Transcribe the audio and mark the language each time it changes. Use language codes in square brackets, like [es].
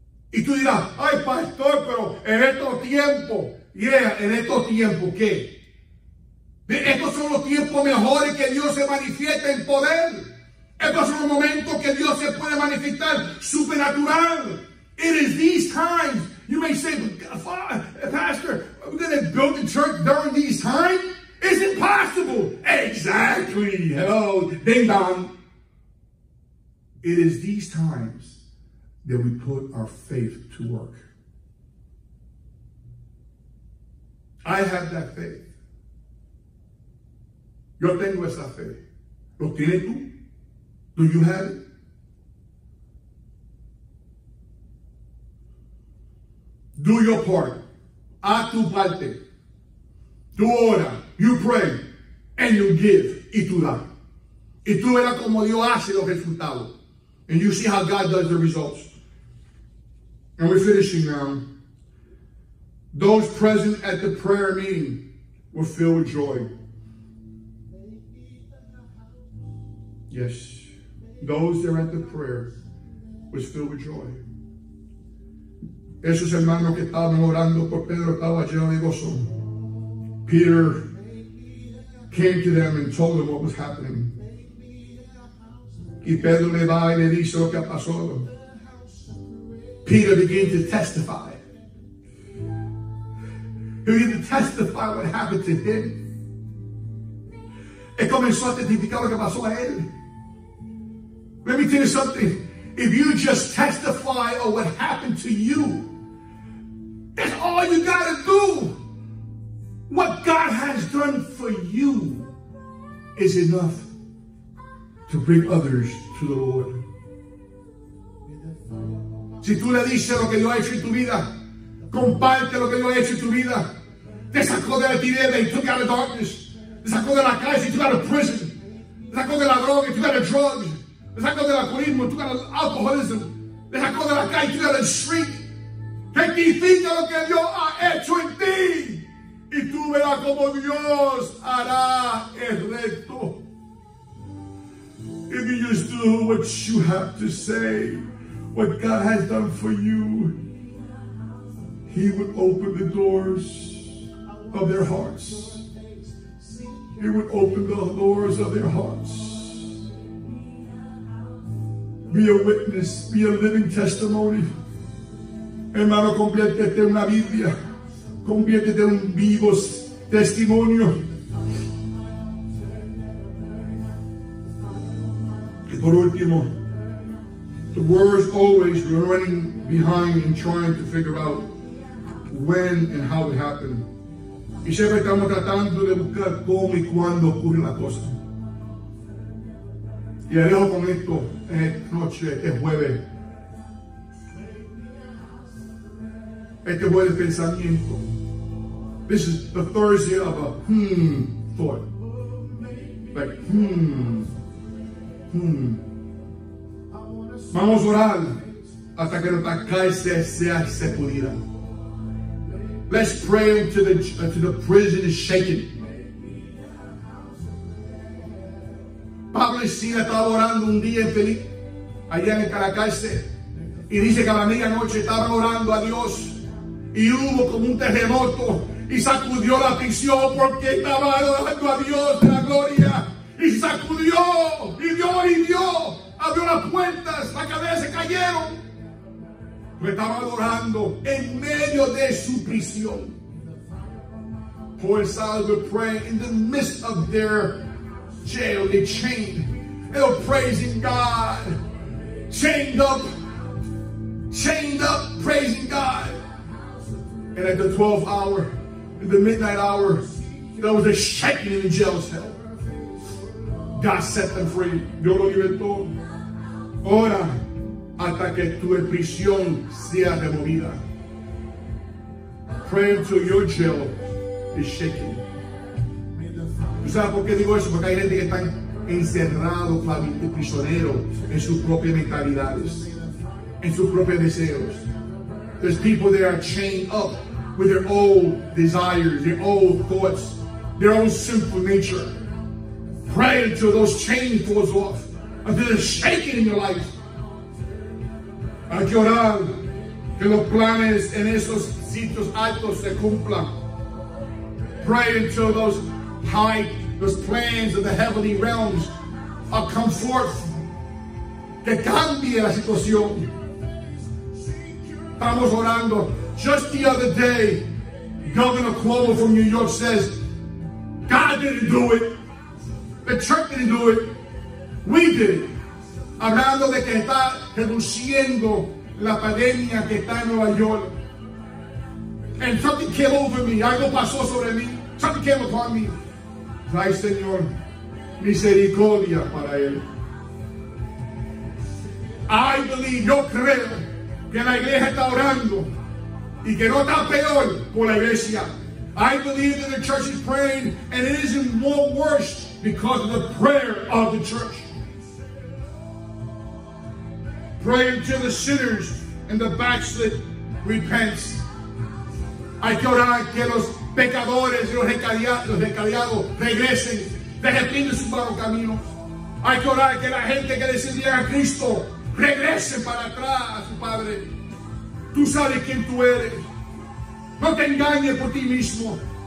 [es] Y tú dirás, ay, pastor, pero en estos tiempos. Yeah, en estos tiempos, ¿qué? Estos son los tiempos mejores que Dios se manifiesta en poder. Estos son los momentos que Dios se puede manifestar supernatural. [en] It is these times. You may say, Pastor, we're going to build the church during these times? It's impossible. Exactly. Hello. Ding dong. It is these times that we put our faith to work. I have that faith. [es] Yo tengo esa fe. ¿Lo tienes tú? [en] Do you have it? Do your part. [es] A tu parte. Tu ora. [en] You pray. And you give. [es] Y tú da. Y tú verás como Dios hace los resultados. [en] And you see how God does the results. And we're finishing now. Those present at the prayer meeting were filled with joy. Yes. Those there at the prayer was filled with joy. [es] Esos hermanos que estaban orando por Pedro estaban llenos de gozo. [en] Peter came to them and told them what was happening. [es] Y Pedro le va y le dice lo que ha pasado. [en] Peter began to testify. He began to testify what happened to him. [es] Y comenzó a testificar lo que pasó a él. [en] Let me tell you something. If you just testify of what happened to you, that's all you gotta do. What God has done for you is enough to bring others to the Lord. [es] Si tú le dices lo que Dios ha hecho en tu vida, Comparte lo que Dios ha hecho en tu vida. Te sacó de la tierra y [en] took out of darkness. [es] Te sacó de la cárcel y [en] took out of prison. [es] Te sacó de la droga y [en] took out of drugs. [es] Te sacó del alcoholismo y [en] took out of alcoholism. [es] Te sacó de la calle y [en] took out of the street. [es] Rectifica lo que Dios ha hecho en ti. Y tú verás como Dios hará el resto. [en] If you just do what you have to say, what God has done for you, He would open the doors of their hearts. He would open the doors of their hearts. Be a witness, be a living testimony. [es] Hermano, conviértete en una Biblia. Conviértete en un vivo testimonio. Y por último, [en] the world is always running behind and trying to figure out when and how it happened. [es] Y siempre estamos tratando de buscar cómo y cuándo ocurre la cosa. Y alejo con esto en esta noche, este jueves. Este jueves pensamiento. [en] This is the Thursday of a thought. [es] Like, Vamos a orar hasta que nuestra cárcel sea sepulida. [en] Let's pray until the prison is shaken. [es] Pablo y Sila estaban orando un día en Felipe, allá en la cárcel, y dice que a la medianoche estaban orando a Dios, y hubo como un terremoto, y sacudió la prisión porque estaba adorando a Dios de la gloria, y sacudió, y Dios abrió las puertas, las cadenas se cayeron. Pero estaba adorando en medio de su prisión. [en] Poor Saul would pray in the midst of their jail, their chain. They were praising God. Chained up, praising God. And at the 12th hour, in the midnight hour, there was a shaking in the jail cell. God set them free. [es] Dios lo libertó. Ora hasta que tu prisión sea removida. [en] Pray until your jail is shaken. [es] ¿Tú sabes por qué digo eso? Porque hay gente que están encerrados, prisioneros en sus propias mentalidades, en sus propios deseos. [en] There's people that are chained up with their old desires, their old thoughts, their own sinful nature. Pray until those chains falls off, until there's shaking in your life. [es] Hay que orar que los planes en esos sitios altos se cumplan. [en] Pray until those plans of the heavenly realms are come forth. [es] Que cambie la situación. Estamos orando. [en] Just the other day, Governor Cuomo from New York says, God didn't do it. The church didn't do it. We did it. [es] Hablando de que está reduciendo la pandemia que está en Nueva York. [en] And something came over me. [es] Algo pasó sobre mí. [en] Something came upon me. [es] Ay, Señor, misericordia para él. [en] I believe, [es] yo creo que la iglesia está orando y que no está peor por la iglesia. [en] I believe that the church is praying and it isn't more worse because of the prayer of the church. Pray until the sinners and the backslid repents. [es] Hay que orar que los pecadores y los recaliados regresen, dejen fin de su malo camino. Hay que orar que la gente que descendía a Cristo regrese para atrás a su Padre. Tú sabes quién tú eres. No te engañes por ti mismo.